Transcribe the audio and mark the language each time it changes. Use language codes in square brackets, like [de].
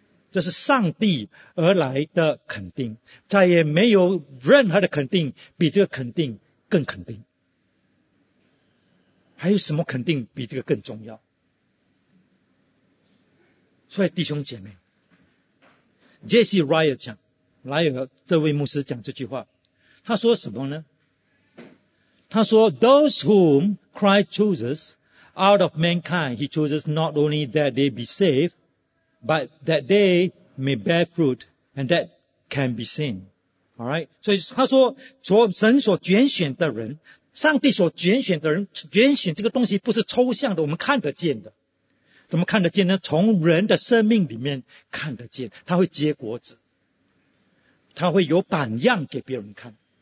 [zh] 这是上帝而来的肯定，再也没有任何的肯定比这个肯定更肯定。还有什么肯定比这个更重要？所以弟兄姐妹， J.C. Ryle 讲，莱尔这位牧师讲这句话，他说什么呢？ [en] 他说 Those whom Christ chooses out of mankind, he chooses not only that they be saved, but that they may bear fruit, and that can be seen. Alright? [zh] 所以他说，神所拣选的人，上帝所拣选的人，拣选这个东西不是抽象的，我们看得见的。怎么看得见呢？从人的生命里面看得见，他会结果子，他会有榜样给别人看。